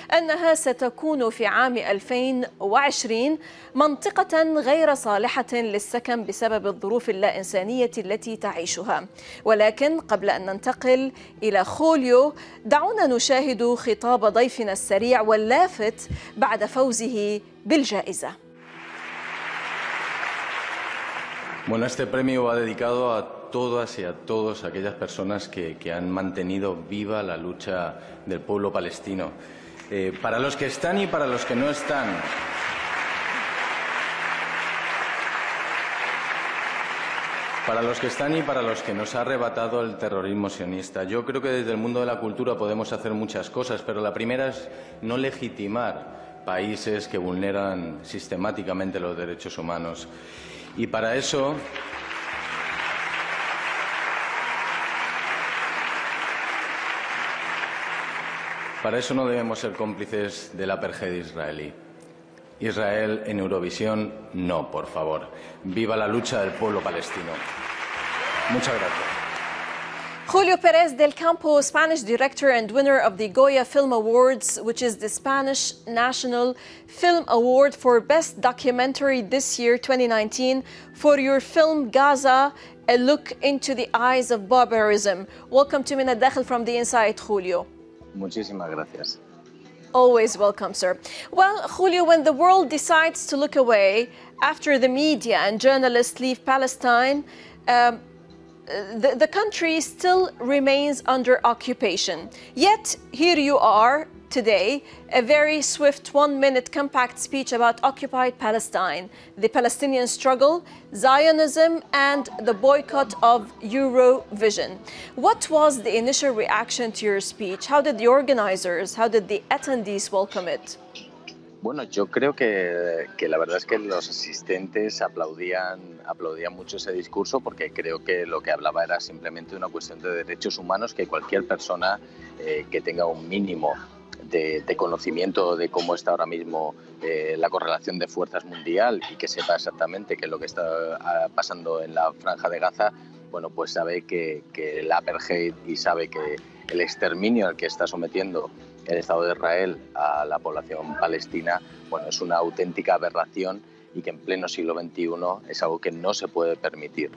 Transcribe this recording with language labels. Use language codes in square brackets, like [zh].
[ar] أنها ستكون في عام 2020 منطقة غير صالحة للسكن بسبب الظروف اللا إنسانية التي تعيشها. ولكن قبل أن ننتقل إلى خوليو، دعونا نشاهد خطاب ضيفنا السريع واللافت بعد فوزه بالجائزة. [es] Bueno, este premio va dedicado a todas y a todos aquellas personas que han mantenido viva la lucha del pueblo palestino. Para los que están y para los que no están. Para los que están y para los que nos ha arrebatado el terrorismo sionista. Yo creo que desde el mundo de la cultura podemos hacer muchas cosas, pero la primera es no legitimar países que vulneran sistemáticamente los derechos humanos. Y para eso, no debemos ser cómplices de la perjedia israelí. Israel en Eurovisión, no, por favor. Viva la lucha del pueblo palestino. Muchas gracias. [en] Julio Pérez del Campo, Spanish director and winner of the Goya Film Awards, which is the Spanish National Film Award for Best Documentary this year, 2019, for your film Gaza, A Look into the Eyes of Barbarism. Welcome to Min al-Dakhl from the inside, Julio. [es] Muchísimas gracias. [en] Always welcome, sir. Well, Julio, when the world decides to look away after the media and journalists leave Palestine, the country still remains under occupation. Yet, here you are today, a very swift one-minute compact speech about occupied Palestine, the Palestinian struggle, Zionism, and the boycott of Eurovision. What was the initial reaction to your speech? How did the organizers, how did the attendees welcome it? [es] Bueno, yo creo que la verdad es que los asistentes aplaudían mucho ese discurso, porque creo que lo que hablaba era simplemente una cuestión de derechos humanos que cualquier persona que tenga un mínimo de conocimiento de cómo está ahora mismo la correlación de fuerzas mundial y que sepa exactamente qué es lo que está pasando en la Franja de Gaza, bueno, pues sabe que el apartheid y sabe que el exterminio al que está sometiendo el Estado de Israel a la población palestina, bueno, es una auténtica aberración y que en pleno siglo XXI es algo que no se puede permitir.